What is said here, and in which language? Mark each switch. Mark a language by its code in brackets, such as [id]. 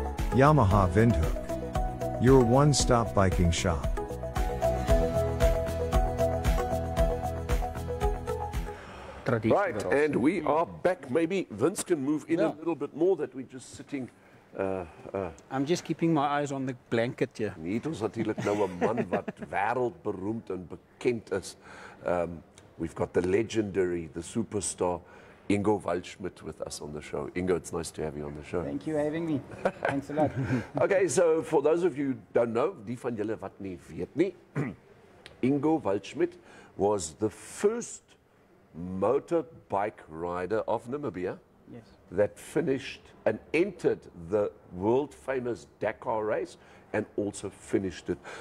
[en] Yamaha Vindhook, your one-stop biking shop. Right, and we are back. Maybe Vince can move in a little bit more, that we're just sitting. I'm just keeping my eyes on the blanket here. [af] Need ons natuurlijk nou een man wat wereldberoemd en bekend is. [en] We've got the legendary, the superstar, Ingo Waldschmidt with us on the show. Ingo, it's nice to have you on the show. Thank you for having me. Thanks a lot. Okay, so for those of you who don't know, [af] die van julle wat nie weet nie, [en] Ingo Waldschmidt was the first motorbike rider of Namibia that finished and entered the world famous Dakar race and also finished it.